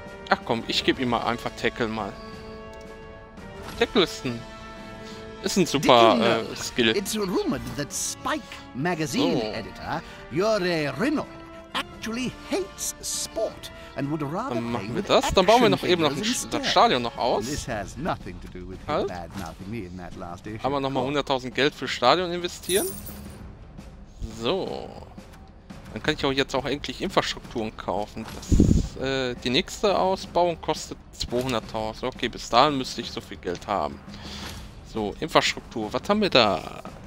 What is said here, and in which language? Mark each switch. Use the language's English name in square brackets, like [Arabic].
[German] Ach komm, ich gebe ihm mal einfach Tackle mal. Tackle ist ein... Ist ein super Skill. [English] It's rumored that Spike Magazine editor Yuri Rinnell actually hates sport and would rather [German] play. Dann machen wir das. Dann bauen wir noch eben noch das Stadion noch aus. [English] This has nothing to do with [German] halt. [English] Bad mouthing me in that last issue. [German] Haben wir nochmal 100.000 Geld für Stadion investieren? So. Dann kann ich auch jetzt auch endlich Infrastrukturen kaufen. Das, die nächste Ausbauung kostet 200.000. Okay, bis dahin müsste ich so viel Geld haben. So, Infrastruktur. Was haben wir da?